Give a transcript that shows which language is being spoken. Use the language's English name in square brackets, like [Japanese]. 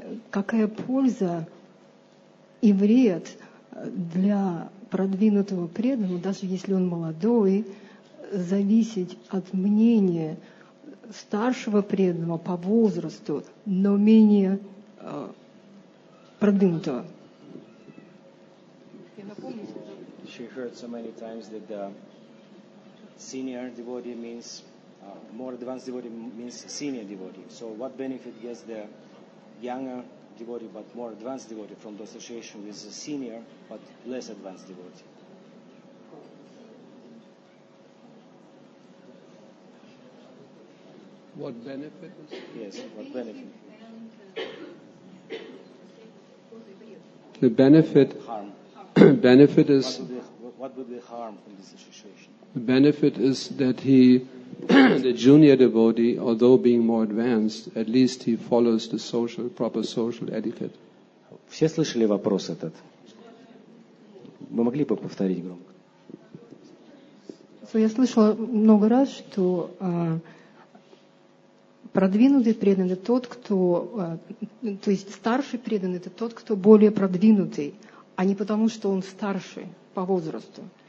[Russian] Какая польза и вред для продвинутого преданного, даже если он молодой, зависеть от мнения старшего преданного по возрасту, но менее продвинутого? [English] She heard so many times that the senior devotee means more advanced devotee means senior devotee. So what benefit gets the younger devotee but more advanced devotee from the association with the senior but less advanced devotee? What benefit? Yes, what benefit? The benefit? Harm. Benefit is... What would be harm from this situation? The benefit is that he, the junior devotee, although being more advanced, at least he follows the social, proper social etiquette. [Russian] Все слышали вопрос этот? Вы могли бы повторить громко? Я слышала много раз, что... Продвинутый преданный это тот, кто, то есть старший преданный это тот, кто более продвинутый, а не потому, что он старше по возрасту.